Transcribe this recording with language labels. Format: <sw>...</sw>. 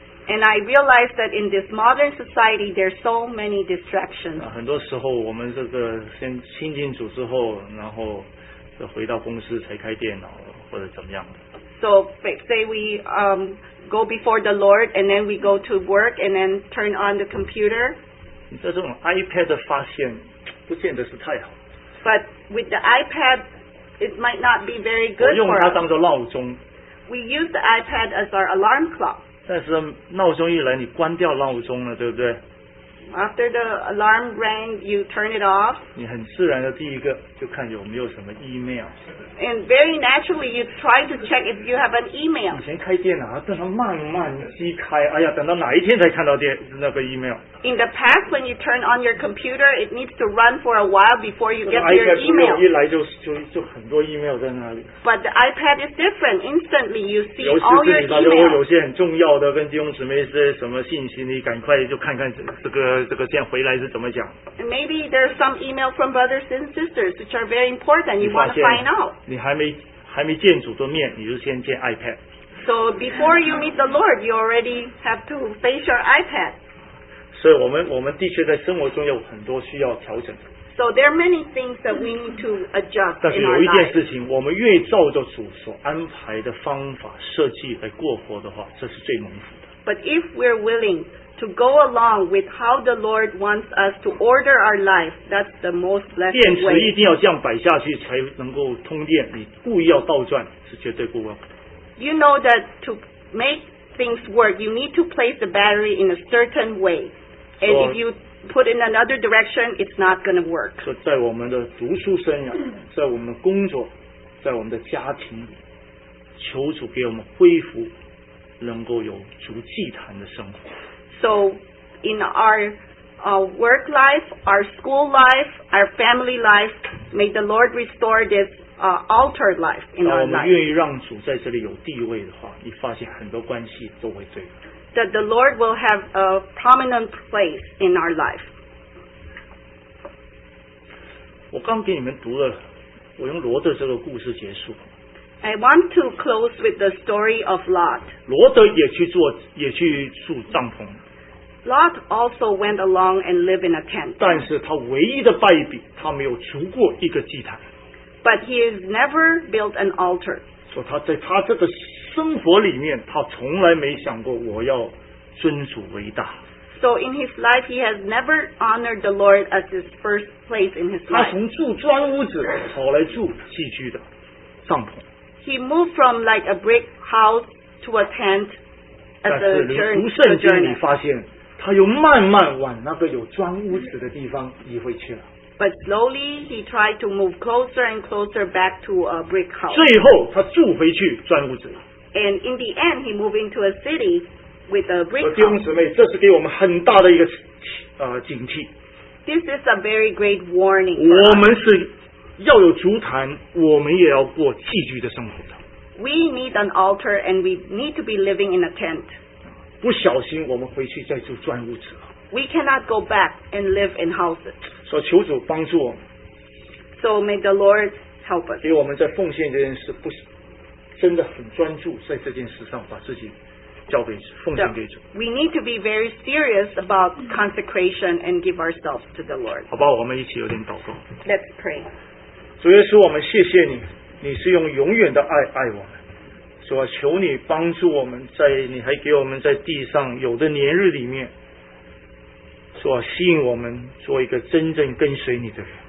<en>And I realize that in this modern society, there are so many distractions.</en> <zh>很多时候我们这个先亲近主之后,然后回到公司才开电脑,或者怎么样的。</zh> <en>So, say we go before the Lord, and then we go to work, and then turn on the computer.</en> <zh>这种iPad的发现,不见得是太好。</zh> <en>But with the iPad, it might not be very good for us.</en> <zh>我用它当作闹钟。</zh> <en>We use the iPad as our alarm clock.</en> <zh>但是闹钟一来，你关掉闹钟了，对不对？</zh> <en>After the alarm rang, you turn it off.</en> <zh>你很自然的第一个就看有没有什么 email.</zh> <en>And very naturally, you try to check if you have an email.</en> <zh>以前开电脑，等它慢慢机开，哎呀，等到哪一天才看到电那个 email.</zh> <en>In the past, when you turn on your computer, it needs to run for a while before you get your email.</en> <zh>一来就很多 email 在那里。</zh> <en>But the iPad is different. Instantly, you see all your email.</en> <zh>尤其是里面有些很重要的跟弟兄姊妹是什么信息，你赶快就看看这个。</zh> <en>And maybe there's some email from brothers and sisters which are very important. You want to find out.</en> <zh>你还没见主的面，你就先见 iPad.</zh> <en>So before you meet the Lord, you already have to face your iPad.</en> <zh>所以我们的确在生活中有很多需要调整。</zh> <en>So there are many things that we need to adjust in our life.</en> <zh>但是有一件事情，我们越照着主所安排的方法设计来过活的话，这是最蒙福的。</zh> <en>But if we're willing to go along with how the Lord wants us to order our life, that's the most blessed way.</en> <zh>电池一定要这样摆下去才能够通电，你故意要倒转是绝对不稳。</zh> <en>You know that to make things work, you need to place the battery in a certain way. And if you put in another direction, it's not going to work.</en> <zh>所以在我们的读书生涯，在我们的工作，在我们的家庭，求主给我们恢复能够有主祭坛的生活。</zh> <en>So in our work life, our school life, our family life, may the Lord restore this altered life in our life.</en> <zh>当我们愿意让主在这里有地位的话，你发现很多关系都会对。</zh> <en>That the Lord will have a prominent place in our life.</en> <zh>我刚给你们读了，我用罗德这个故事结束。</zh> <en>I want to close with the story of Lot.</en> <zh>罗德也去住帐篷。</zh> <en>Lot also went along and lived in a tent.</en> <zh>但是他唯一的败笔，他没有筑过一个祭坛。</zh> <en>But he has never built an altar.</en> <zh>说他在他这个生活里面，他从来没想过我要尊主为大。</zh> <en>So in his life, he has never honored the Lord as his first place in his life.</en> <zh>他从住砖屋子跑来住寄居的帐篷。</zh> <en>He moved from like a brick house to a tent as a journey.</en> <zh>但是读圣经，你发现。他又慢慢往那个有砖屋子的地方移回去了。</zh> <en>But slowly he tried to move closer and closer back to a brick house.</en> <zh>最后他住回去砖屋子了。</zh> <en>And in the end he moved into a city with a brick house.</en> <zh>弟兄姊妹，这是给我们很大的一个警惕。</zh> <en>This is a very great warning.</en> <zh>我们是要有烛坛，我们也要过寄居的生活的。</zh> <en>We need an altar and we need to be living in a tent.</en> <zh>不小心我们回去再住砖屋子了。</zh> <en>We cannot go back and live in houses.</en> <zh>所以求主帮助我们。</zh> <en>So may the Lord help us.</en> <zh>给我们在奉献这件事不真的很专注在这件事上把自己交给奉献给主。</zh> <en>So, we need to be very serious about consecration and give ourselves to the Lord.</en> <zh>好吧，我们一起有点祷告。</zh> <en>Let's pray.</en> <zh>主耶稣，我们谢谢你，你是用永远的爱爱我们。主啊，求你帮助我们在你还给我们在地上有的年日里面，主啊，吸引我们做一个真正跟随你的人。</zh>